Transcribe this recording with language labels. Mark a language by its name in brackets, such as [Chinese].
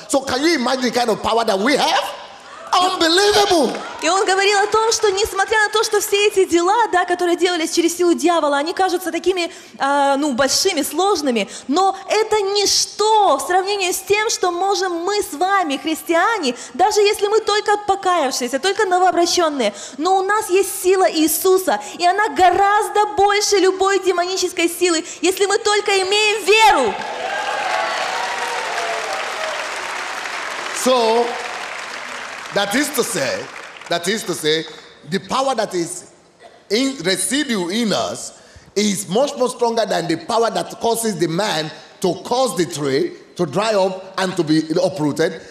[English] So can you imagine the kind of power that we have? Unbelievable. [Russian] И он говорил о том, что несмотря на то, что все эти дела, да, которые делались через силу дьявола, они кажутся такими, ну, большими, сложными, но это ничто в сравнении с тем, что можем мы с вами, христиане, даже если мы только покаявшиеся, только новообращенные, но у нас есть сила Иисуса, и она гораздо больше любой демонической силы, если мы только имеем веру. [English] So, That is to say, the power that is in residue in us is much, much stronger than the power that causes the man to cause the tree to dry up and to be uprooted.